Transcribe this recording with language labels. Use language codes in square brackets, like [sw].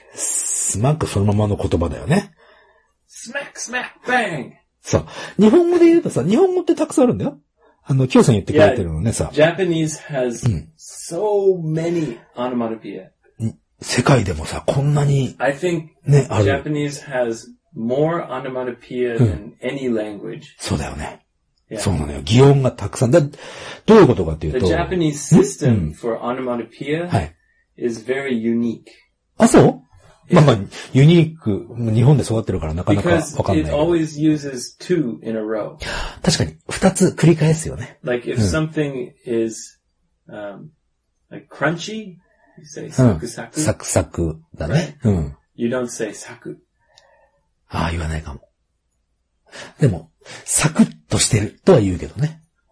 [ja] smack そのままの言葉だよね。 [en] smack, smack, bang! [ja] そう。日本語で言うとさ、日本語ってたくさんあるんだよ。あの、キヨさん言ってくれてるのね、さ。 [en] Japanese has so many onomatopoeia. [ja] 世界でもさ、こんなに、ね、 [en] I think Japanese has more onomatopoeia than any language. [ja] そうだよね。 [en] Yeah. [ja] そうなのよ。擬音がたくさん。で、どういうことかっていうと、 [en] The Japanese system for onomatopoeia is very unique. [ja] あ、そう？まあまあ、ユニーク、日本で育ってるからなかなかわかんない。 [en] Because it always uses two in a row. [ja] 確かに、二つ繰り返すよね。 [en] Like if something is, like crunchy,Say サクサク、 [ja] うん、サクサクだね。 [en] Right? [ja] うん。 [en] You don't say サク。 [ja] ああ、言わないかも。でも、サクッとしてるとは言うけどね。